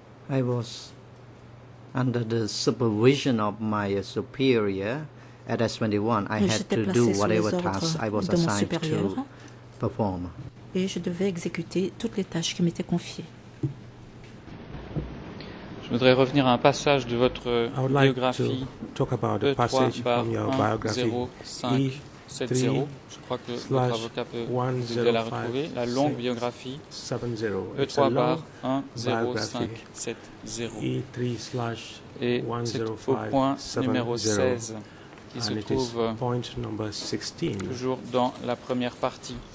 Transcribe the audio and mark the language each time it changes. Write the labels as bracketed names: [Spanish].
[English] I was under the supervision of my superior at S21. I had to do whatever tasks I was assigned to perform. [French] Et je devais exécuter toutes les tâches qui m'étaient confiées. Je voudrais revenir à un passage de votre biographie. [English] I would like to talk about the passage from your biography. [French] 7-0, je crois que votre avocat peut la retrouver, la longue biographie, E3 bar 10570. Et c'est au point numéro 16 qui se trouve toujours dans la première partie,